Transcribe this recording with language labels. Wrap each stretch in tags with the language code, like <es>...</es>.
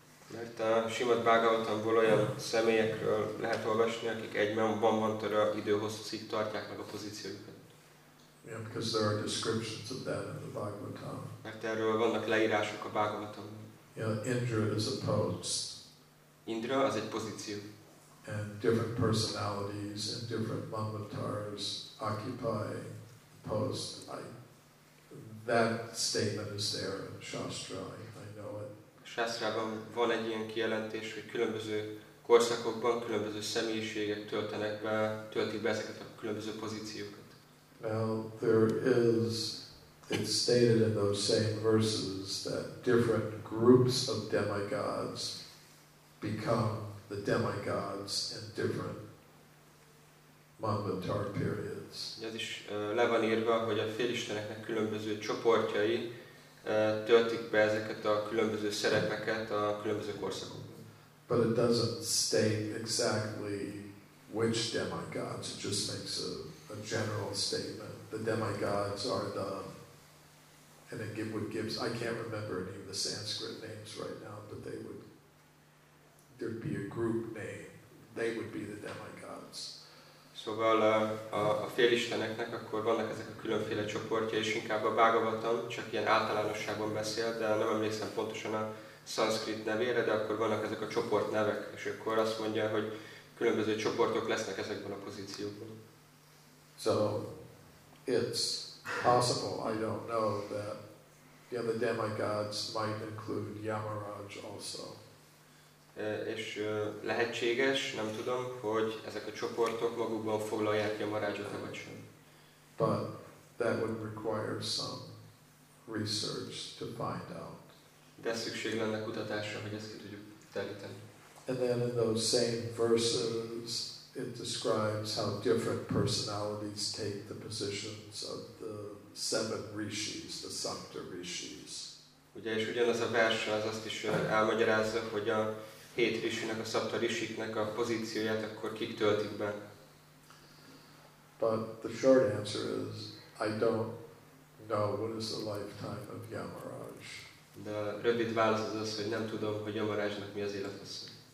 <hu>Mert a Srimad Bhagavatamból olyan személyekről lehet olvasni, akik egy manvantara időhosszig tartják meg a pozíciójukat.</hu> <en>Yeah, because there are descriptions of that in the Bhagavatam.</en> <hu>Mert erről vannak leírások a Bhagavatamban.</hu> <en>Yeah, Indra is a post.</en> <hu>Indra az egy pozíció.</hu> <en>And different personalities and different manvantaras occupy posts. That statement is there in Shastra, I know it.</en> <hu>Shastrában van egy ilyen kijelentés, hogy különböző korszakokban különböző személyiségek töltik be ezeket a különböző pozíciókat.</hu> <en>Well, there is, it's stated in those same verses that different groups of demigods become the demigods in different manvantar periods.</en> <hu>Ez is le van írva, hogy a félisteneknek különböző csoportjai töltik be ezeket a különböző szerepeket a különböző korszakokban.</hu> <en>But it doesn't state exactly which demigods. It just makes a general statement. The demigods are the, and it gives, I can't remember any of the Sanskrit names right now, but they would, there'd be a group name. They would be the demigods.</en> <hu>Szóval a félisteneknek akkor vannak ezek a különféle csoportja, és inkább a Bhagavatam csak ilyen általánosságban beszél, de nem emlékszem pontosan a szanszkrit nevére, de akkor vannak ezek a csoportnevek, és akkor azt mondja, hogy különböző csoportok lesznek ezekben a pozíciókban.</hu> <en>So, it's possible, I don't know, that the demigods might include Yamaraj also.</en> <hu>És lehetséges, nem tudom, hogy ezek a csoportok magukban foglalják Yamarajot, vagy sem.</hu> <en>But that would require some research to find out.</en> <hu>De szükség lenne kutatásra, hogy ezt ki tudjuk deríteni.</hu> <en>And then in those same verses, it describes how different personalities take the positions of the seven rishis, the Sapta rishis.</en> <hu>Ugye, és ugyanaz a vers az azt is elmagyarázza, hogy a hét rishinek, a szaptarishiknek a pozícióját akkor kik töltik be.</hu> <en>But the short answer is, I don't know what is the lifetime of Yamaraj.</en> <hu>De rövid válasz az az, hogy nem tudom, hogy Yamarajnak mi az élethosszú.</hu>